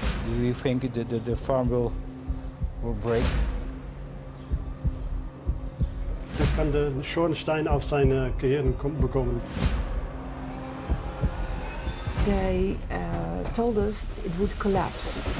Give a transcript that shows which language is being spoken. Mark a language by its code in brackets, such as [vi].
[en] Do you think that the farm will break? [de] Er kann einen Schornstein auf seine Gehirn bekommen. [en] They told us it would collapse.